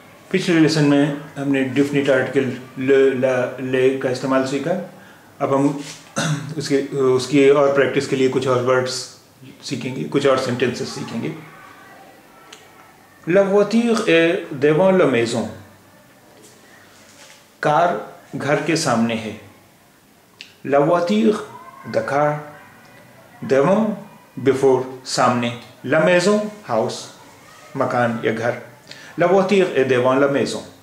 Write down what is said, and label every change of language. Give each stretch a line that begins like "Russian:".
Hindi: पिछले लेसन में हमने डेफिनेट आर्टिकल ल, ला, ले का इस्तेमाल सीखा. अब हम उसके उसकी और प्रैक्टिस के लिए कुछ और वर्ड्स सीखेंगे, कुछ और सेंटेंसेस सीखेंगे.
French: La voiture est devant la maison.
Hindi: Car घर के सामने है.
French: La voiture,
English: the car.
French: Devant,
English: before,
Hindi: सामने.
French: La maison,
English: house,
Hindi: मकान या घर.
French: La voiture est devant la maison.